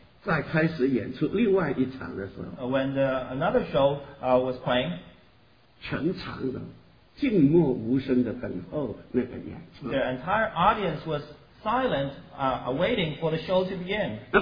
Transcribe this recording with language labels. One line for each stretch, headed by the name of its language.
Chinese: 再开始演出另外一场的时候,
English: when another show was playing,
Chinese: 全场的静默无声的等候那个演出,
English: the entire audience was silent, waiting for the show to begin.